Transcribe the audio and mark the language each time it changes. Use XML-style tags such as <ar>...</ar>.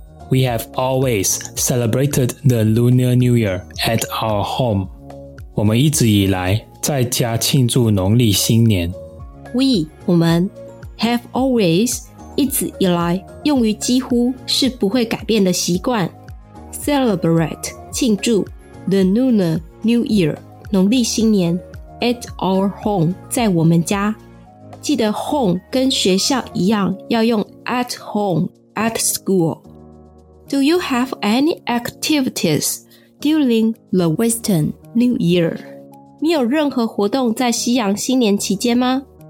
<en>We have always celebrated the Lunar New Year at our home.</en> <zh>我们一直以来在家庆祝农历新年。</zh> <en>We,</en> <zh>我们</zh> <en>have always,</en> <zh>一直以来用于几乎是不会改变的习惯。</zh> <en>Celebrate,</en> <zh>庆祝</zh> <en>The Lunar New Year,</en> <zh>农历新年</zh> <en>at our home,</en> <zh>在我们家。记得 home 跟学校一样，要用</zh> <en>at home, at school. Do you have any activities during the Western New Year?</en> <zh>你有任何活动在西洋新年期间吗？</zh>